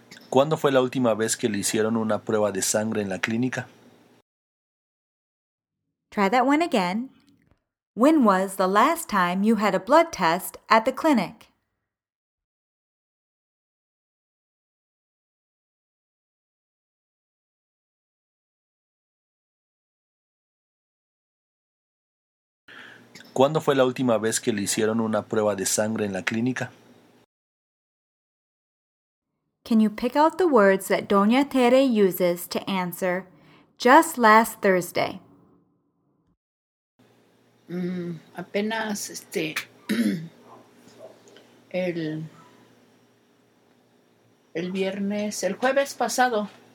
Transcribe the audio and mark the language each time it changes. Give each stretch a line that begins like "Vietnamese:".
Spanish: ¿Cuándo fue la última vez que le hicieron una prueba de sangre en la clínica?
English: Try that one again. When was the last time you had a blood test at the clinic?
Spanish: ¿Cuándo fue la última vez que le hicieron una prueba de sangre en la clínica?
English: Can you pick out the words that Doña Tere uses to answer just last Thursday?
Spanish: Apenas el viernes, el jueves pasado.